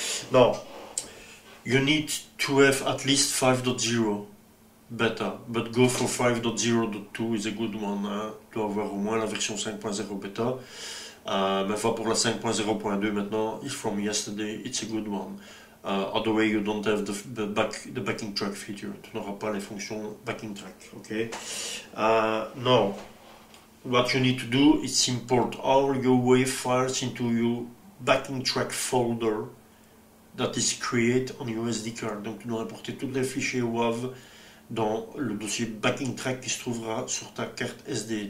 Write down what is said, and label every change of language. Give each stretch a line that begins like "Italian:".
English: Now, you need to have at least 5.0 beta, but go for 5.0.2 is a good one, hein?
French: Tu dois avoir au moins la version 5.0 beta, mais va pour la 5.0.2 maintenant,
English: it's from yesterday, it's a good one. Other way, you don't have the backing track feature.
French: Tu n'auras pas les fonctions backing track, ok?
English: Now, what you need to do is import all your WAV files into your backing track folder that is created on your SD card.
French: Donc, tu dois importer tous les fichiers WAV dans le dossier backing track qui se trouvera sur ta carte SD.